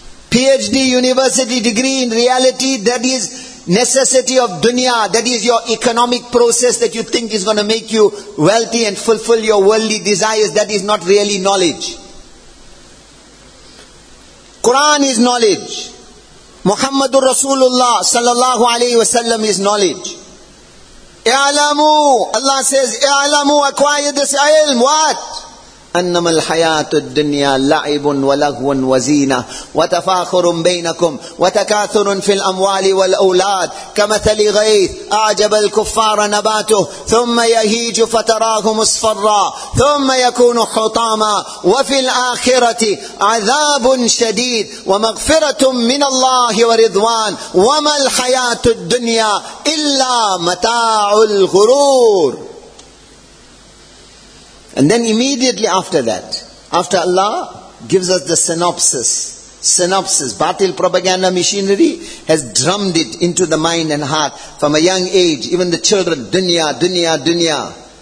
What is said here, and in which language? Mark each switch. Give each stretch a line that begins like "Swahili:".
English: PhD, university degree in reality, that is necessity of dunya, that is your economic process that you think is going to make you wealthy and fulfill your worldly desires, that is not really knowledge. Quran is knowledge. Muhammadur Rasulullah sallallahu alayhi wasallam is knowledge. I'alamu, Allah says, I'alamu, acquire this ilm, what?
Arabic: أنما الحياة الدنيا لعب ولهو وزينة وتفاخر بينكم وتكاثر في الأموال والأولاد كمثل غيث أعجب الكفار نباته ثم يهيج فتراه مصفرا ثم يكون حطاما وفي الآخرة عذاب شديد ومغفرة من الله ورضوان وما الحياة الدنيا إلا متاع الغرور.
English: And then immediately after that, after Allah gives us the synopsis, batil propaganda machinery has drummed it into the mind and heart from a young age, even the children, dunya, dunya, dunya.